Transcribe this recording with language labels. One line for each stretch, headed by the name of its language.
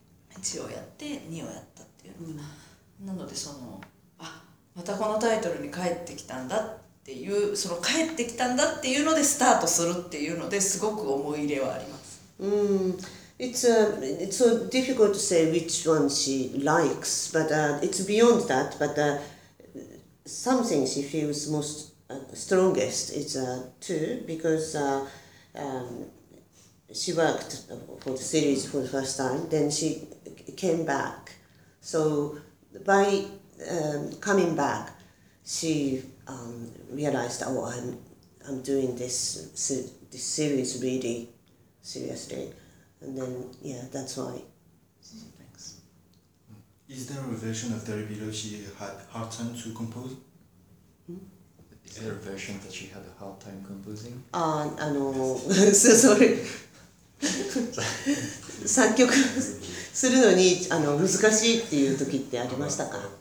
Japanese: 1をやって2をやったっていうのが、なのでそのあまたこのタイトルに帰ってきたんだっていう、その帰ってきたんだっていうのでスタートするっていうのですごく思い入れはあります。
English: It's so difficult to say which one she likes, but it's beyond that. But something she feels most strongest is two, because she worked for the series for the first time, then she came back. So by coming back, she realized, oh, I'm doing this series really seriously. And then, yeah, that's why. Thanks. Is there a version of Dearly Beloved she had hard time to compose? Is there a version that she had a hard time composing? sorry.
Japanese: 作曲するのに難しいっていう時ってありましたか？